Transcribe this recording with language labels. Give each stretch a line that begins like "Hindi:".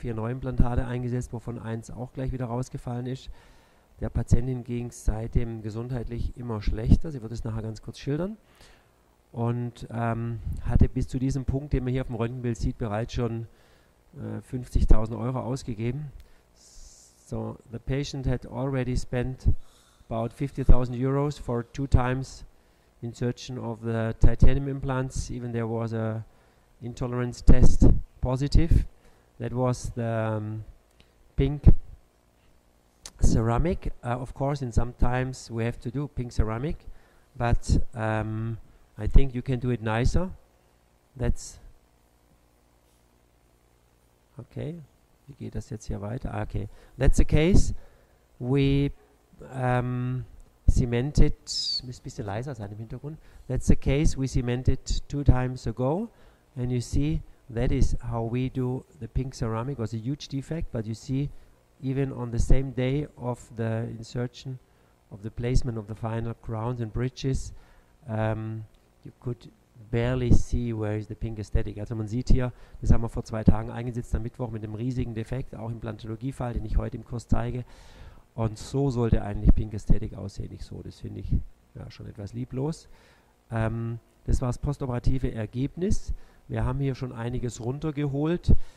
German: Haben 4 neue Implantate eingesetzt, wovon eins auch gleich wieder rausgefallen ist. Der Patientin ging es seitdem gesundheitlich immer schlechter. Sie wird es nachher ganz kurz schildern. Und hatte bis zu diesem Punkt, den man hier auf dem Röntgenbild sieht, bereits schon 50.000 Euro ausgegeben.
English: So, the patient had already spent about 50.000 euros for 2 times in search of the titanium implants, even there was a intolerance test positive. That was the pink ceramic. Of course, in some times we have to do pink ceramic, but I think you can do it nicer. That's okay.
German: Wie geht das jetzt hier weiter? Ah, okay.
English: That's the case. We cemented,
German: muss ein bisschen leiser sein im Hintergrund.
English: That's the case we cemented 2 times ago. And you see, that is how we do the pink ceramic. It was a huge defect, but you see, even on the same day of the insertion of the placement of the final crowns and bridges, you could barely see where is the pink aesthetic.
German: Also man sieht hier, das haben wir vor 2 Tagen eingesetzt, am Mittwoch mit einem riesigen Defekt, auch im Implantologiefall, den ich heute im Kurs zeige. Und so sollte eigentlich pink aesthetic aussehen, nicht so. Das finde ich ja schon etwas lieblos. Das war das postoperative Ergebnis. Wir haben hier schon einiges runtergeholt.